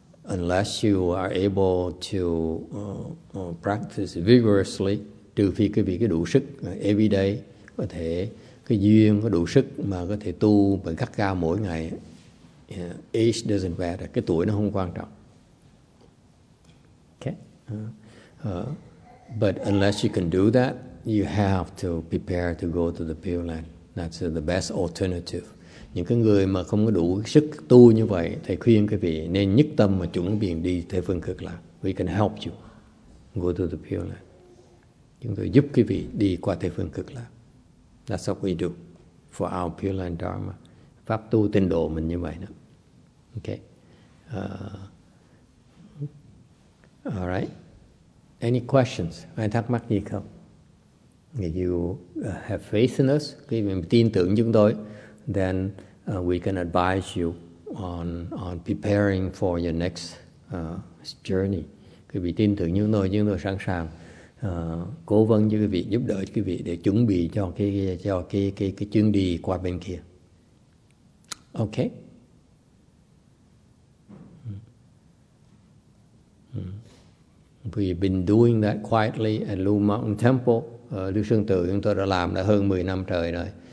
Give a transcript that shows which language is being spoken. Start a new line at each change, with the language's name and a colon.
English: Unless you are able to practice vigorously,
Vietnamese: trừ phi quý vị có đủ sức,
English: every day,
Vietnamese: có thể, cái duyên, có đủ sức mà có thể tu và gắt gao mỗi ngày.
English: Age doesn't matter,
Vietnamese: cái tuổi nó không quan trọng.
English: Okay. But unless you can do that, you have to prepare to go to the Pure Land. That's the best alternative.
Vietnamese: Những cái người mà không có đủ sức tu như vậy, thầy khuyên quý vị nên nhất tâm mà chuẩn bị đi Tây Phương Cực Lạc.
English: We can help you go to the Pure Land.
Vietnamese: Chúng tôi giúp quý vị đi qua Tây Phương Cực Lạc.
English: That's what we do for our Pure Land Dharma.
Vietnamese: Pháp tu tịnh độ mình như vậy đó.
English: Okay. All right. Any questions?
Vietnamese: Ai thắc mắc gì không?
English: If you have faith in us, if you
Vietnamese: tin tưởng chúng tôi,
English: then we can advise you on preparing for your next journey.
Vietnamese: Quý vị tin tưởng chúng tôi sẵn sàng cố vấn cho quý vị, giúp đỡ quý vị để chuẩn bị cho cái chuyến đi qua bên kia.
English: Okay. We've been doing that quietly at Lu Mountain Temple.
Vietnamese: Đức Sư Tử chúng tôi đã làm đã hơn 10 năm trời rồi.